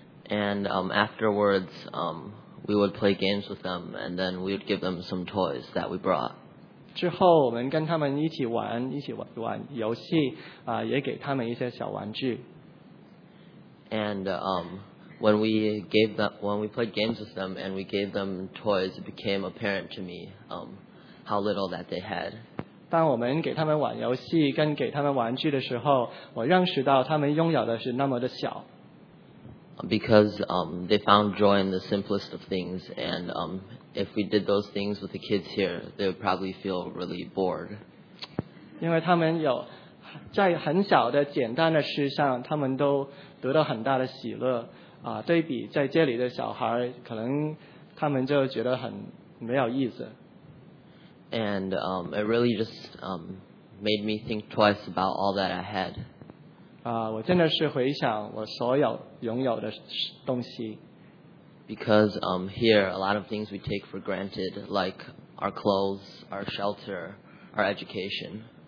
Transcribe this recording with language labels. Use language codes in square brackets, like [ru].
[en] And afterwards we would play games with them and then we would give them some toys that we brought. [zh] 之后我们跟他们一起玩游戏也给他们一些小玩具。 [en] And when we played games with them and we gave them toys, it became apparent to me how little that they had. [zh] 当我们给他们玩游戏跟给他们玩具的时候我认识到他们拥有的是那么的小。 [en] because they found joy in the simplest of things, and if we did those things with the kids here, they would probably feel really bored. [zh] 因为他们有在很小的简单的事上，他们都得到很大的喜乐，啊，对比在这里的小孩，可能他们就觉得很没有意思。 [en] And it really just made me think twice about all that I had. [zh] 啊，我真的是回想我所有拥有的东西。 [en] Because here, a lot of things we take for granted, like our clothes, our shelter, our education.